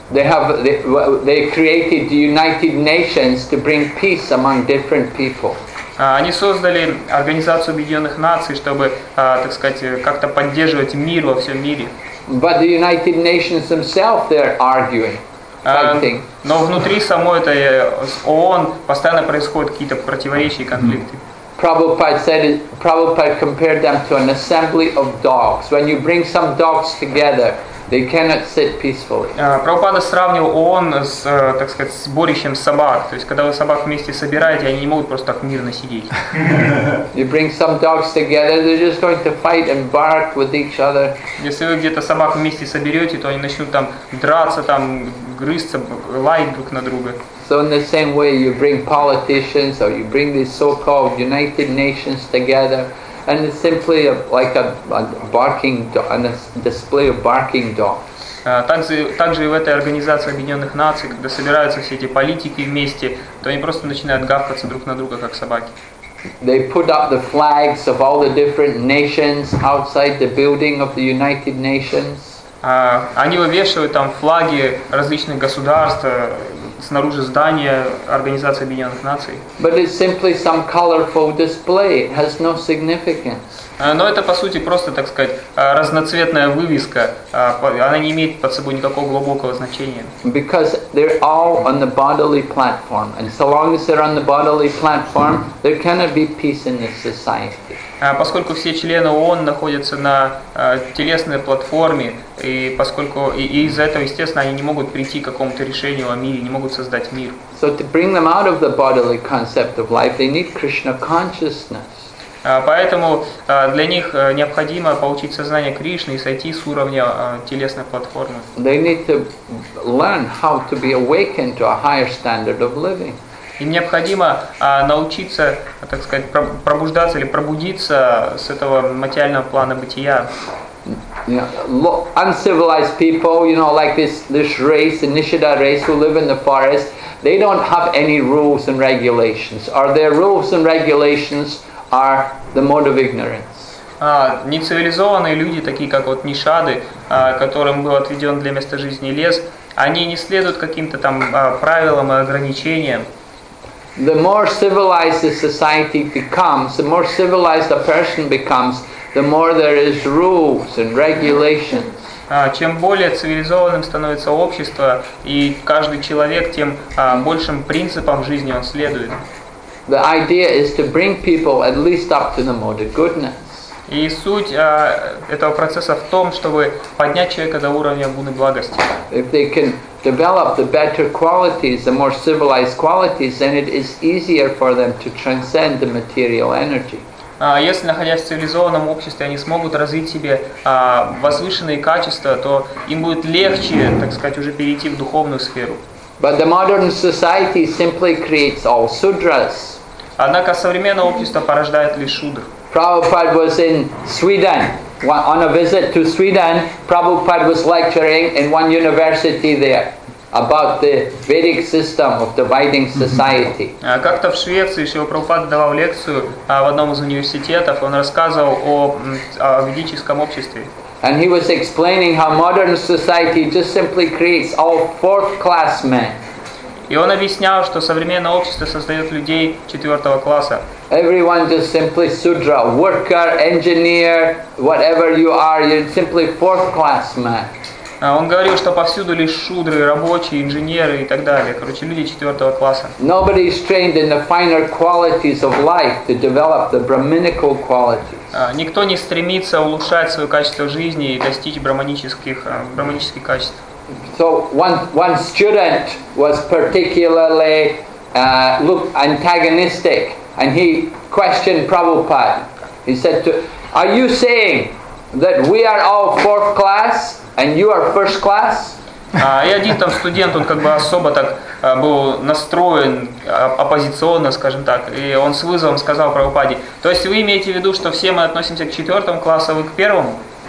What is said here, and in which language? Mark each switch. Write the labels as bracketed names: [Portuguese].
[English] They created the United Nations to bring peace among different people. [Russian] Они создали Организацию Объединенных Наций, чтобы, так сказать, как-то поддерживать мир во всем мире. [English] But the United Nations themselves, they're arguing. [Russian] Но внутри самой этой ООН постоянно происходят какие-то противоречия и конфликты. [English] Prabhupada compared them to an assembly of dogs. When you bring some dogs together, they cannot sit peacefully. [Russian] Прабхупада сравнивал ООН с, так сказать, сборищем собак. То есть, когда вы собак вместе собираете, они не могут просто так мирно сидеть. [English] You bring some dogs together, they're just going to fight and bark with each other. [Russian] Если вы где-то собак вместе соберете, то они начнут там драться, там грызться, лаять друг на друга. [English] So in the same way, you bring politicians or you bring these so-called United Nations together, and it's simply a, like a barking dog, a display of barking dogs. [Russian] Также и в этой организации Объединенных Наций, когда собираются все эти политики вместе, то они просто начинают гавкаться друг на друга, как собаки. [English] They put up the flags of all the different nations outside the building of the United Nations. [Russian] Они вывешивают там флаги различных государств снаружи здания Организации Объединенных Наций. [English] But it's simply some colorful display. It has no significance. [Russian] Но это по сути просто, так сказать, разноцветная вывеска. Она не имеет под собой никакого глубокого значения. [English] Because they're all on the bodily platform, and so long as they're on the bodily platform, there cannot be peace in this society. [Russian] Поскольку все члены ООН находятся на телесной платформе, и поскольку и из-за этого, естественно, они не могут прийти к какому-то решению о мире, не могут создать мир. [English] So to bring them out of the bodily concept of life, they need Krishna consciousness. [Russian] Поэтому для них необходимо получить сознание Кришны и сойти с уровня телесной платформы. [English] They need to learn how to be awakened to a higher standard of living. [Russian] Им необходимо научиться, так сказать, пробуждаться или пробудиться с этого материального плана бытия. [English] Uncivilized people, you know, like this race, the Nishida race, who live in the forest, they don't have any rules and regulations. Are there rules and regulations? Are the mode of ignorance. [Russian] Нецивилизованные люди, такие как вот нишады, которым был отведен для места жизни лес, они не следуют каким-то там правилам и ограничениям. [English] The more civilized a society becomes, the more civilized a person becomes, the more there is rules and regulations. [Russian] Чем более цивилизованным становится общество, и каждый человек, тем большим принципам жизни он следует. [English] The idea is to bring people at least up to the mode of goodness. [Russian] И суть этого процесса в том, чтобы поднять человека до уровня гуны благости. [English] If they can develop the better qualities, the more civilized qualities, then it is easier for them to transcend the material energy. [Russian] Если, находясь в цивилизованном обществе, они смогут развить себе возвышенные качества, то им будет легче, так сказать, уже перейти в духовную сферу. [English] But the modern society simply creates all sudras. [Russian] Однако современное общество порождает лишь шудр. [English] Prabhupada was in Sweden. On a visit to Sweden, Prabhupada was lecturing in one university there about the Vedic system of dividing society. [Russian] Как-то в Швеции Шрила Прабхупада давал лекцию в одном из университетов. Он рассказывал о ведическом обществе. [English] And he was explaining how modern society just simply creates all fourth-class men. [Russian] И он объяснял, что современное общество создает людей четвертого класса. [English] Everyone just simply sudra, worker, engineer, whatever you are, you're simply fourth-class man. [Russian] Он говорил, что повсюду лишь шудры, рабочие, инженеры и так далее. Короче, люди четвертого класса. [English] Nobody is trained in the finer qualities of life to develop the brahminical qualities. [Russian] Никто не стремится улучшать свое качество жизни и достичь брахманических качеств. [English] So one student was particularly antagonistic, and he questioned Prabhupada. He said, "Are you saying that we are all fourth class and you are first class?" [Russian] И один там студент, он как бы особо так был настроен оппозиционно, скажем так, и он с вызовом сказал Прабхупаде: то есть вы имеете в виду, что все мы относимся к четвертому классу, а вы к первому?